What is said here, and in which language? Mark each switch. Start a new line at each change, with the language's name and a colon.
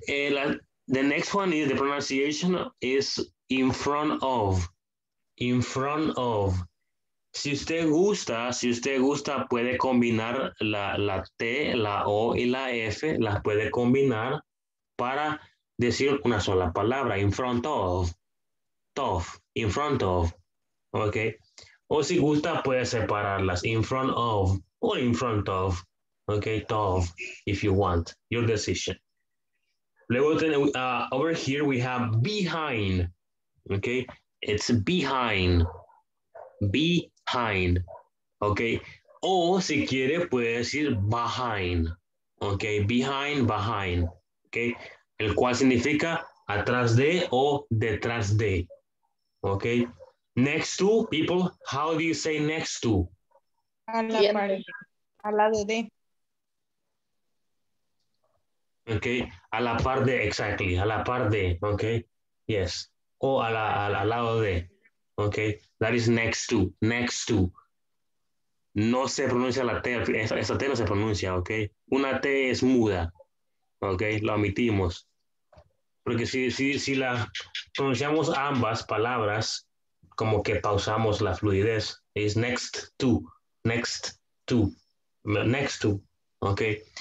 English: The next one is the pronunciation is in front of. In front of.
Spanish: Si usted gusta, puede combinar la T, la O y la F, las puede combinar para decir una sola palabra.
English: In front of. Tof. In front of. Ok.
Spanish: O si gusta, puede separarlas.
English: In front of. O in front of. Ok. Tof. If you want. Your decision.
Spanish: Luego
English: over here we have behind, okay? It's behind, behind, okay?
Spanish: O si quiere puede decir behind, okay?
English: Behind, behind, okay?
Spanish: El cual significa atrás de o detrás de, okay?
English: Next to, people, how do you say next to?
Spanish: Al lado de. Okay, a la par de, exactly, a la par de, okay, yes, o al lado de, okay, that is next to, no se pronuncia la T, esa T no se pronuncia, okay, una T es muda, okay, lo omitimos, porque si la pronunciamos ambas palabras, como que pausamos la fluidez,
English: is next to, okay.